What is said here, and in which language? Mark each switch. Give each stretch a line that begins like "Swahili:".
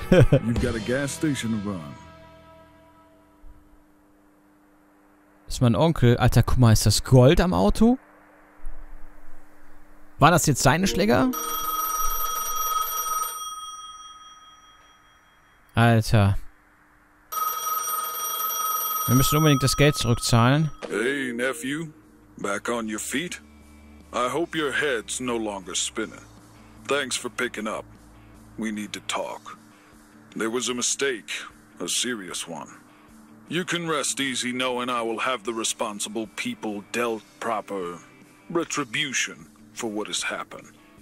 English: You've got a gas station to run.
German: Ist mein Onkel. Alter, guck mal, ist das Gold am Auto? Waren das jetzt seine Schläger? Alter. Wir müssen unbedingt das Geld zurückzahlen.
English: Hey, Nephew. Back on your feet? I hope your head's no longer spinning. Thanks for picking up. We need to talk. There was a mistake, a serious one. You can rest easy knowing I will have the responsible people dealt proper retribution for what has happened.